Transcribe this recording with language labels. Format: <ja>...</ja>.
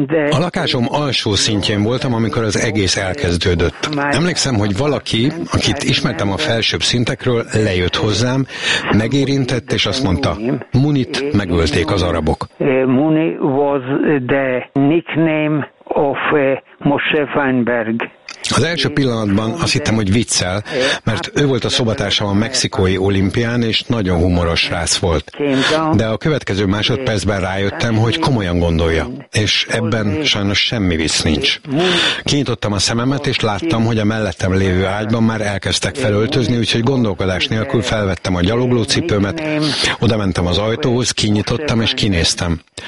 <hu>A lakásom alsó szintjén voltam, amikor az egész elkezdődött. Emlékszem, hogy valaki, akit ismertem a felsőbb szintekről, lejött hozzám, megérintett, és azt mondta, Munit megölték az arabok.</hu> <en>Muni was the nickname of Moshe Feinberg.</en> <hu>Az első pillanatban azt hittem, hogy viccel, mert ő volt a szobatársam a mexikói olimpián, és nagyon humoros srác volt. De a következő másodpercben rájöttem, hogy komolyan gondolja, és ebben sajnos semmi vicc nincs. Kinyitottam a szememet, és láttam, hogy a mellettem lévő ágyban már elkezdtek felöltözni, úgyhogy gondolkodás nélkül felvettem a gyaloglócipőmet, oda mentem az ajtóhoz, kinyitottam, és kinéztem.</hu>